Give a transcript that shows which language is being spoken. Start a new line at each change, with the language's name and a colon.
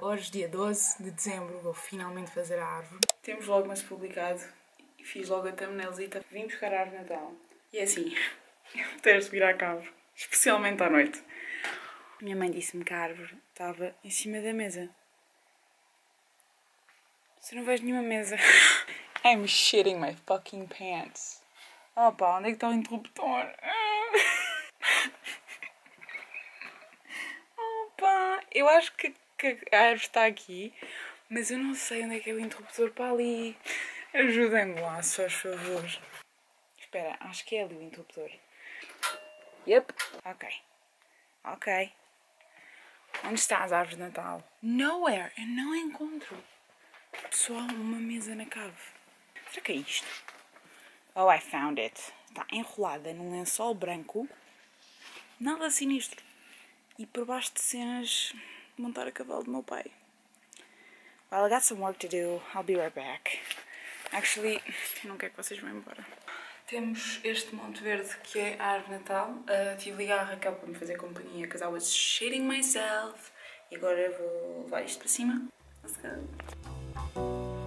Portuguese: Hoje, dia 12 de dezembro, vou finalmente fazer a árvore. Temos o Vlogmas publicado e fiz logo a thumbnailzita. Vim buscar a árvore de Natal. E é assim, tenho de vir à cave, especialmente à noite. Minha mãe disse-me que a árvore estava em cima da mesa. Você não vejo nenhuma mesa.
English: I'm shitting my fucking pants.
Portuguese: Oh pá, onde é que está o interruptor? Opa, eu acho que a árvore está aqui, mas eu não sei onde é que é o interruptor para ali. Ajudem-me lá, se faz favor. Espera, acho que é ali o interruptor. Yep. Ok. Onde está as árvores de Natal?
English: Nowhere.
Portuguese: Eu não encontro. Só uma mesa na cave. Será que é isto?
English: Oh, I found it.
Portuguese: Está enrolada num lençol branco. Nada sinistro. E por baixo de cenas, montar a cavalo do meu pai.
English: Well, I got some work to do. I'll be right back.
Portuguese: Actually, não quero que vocês vão embora. Temos este monte verde que é a árvore de Natal. Tive de ligar a Raquel para me fazer companhia,
English: because I was shitting myself.
Portuguese: E agora eu vou levar isto para cima.
English: Let's go.